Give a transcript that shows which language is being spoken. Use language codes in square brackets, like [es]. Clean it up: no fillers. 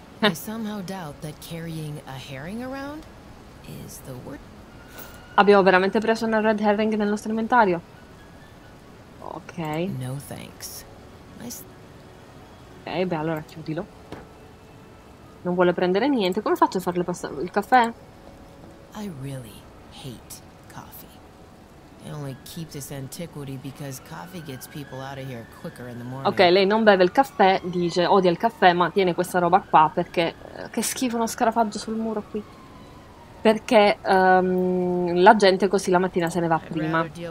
[en] I somehow doubt that carrying a herring around is the word. [it] Abbiamo veramente preso una [en] red herring [it] nel nostro inventario? Ok. [en] No thanks. [it] Ok, beh, allora chiudilo. Non vuole prendere niente. Come faccio a farle passare il caffè? [en] I really hate coffee. I only keep this antiquity because coffee gets people out of here quicker in the morning. [it] Ok, lei non beve il caffè, dice odia il caffè, ma tiene questa roba qua perché... Che schifo, uno scarafaggio sul muro qui. Perché la gente così la mattina se ne va prima.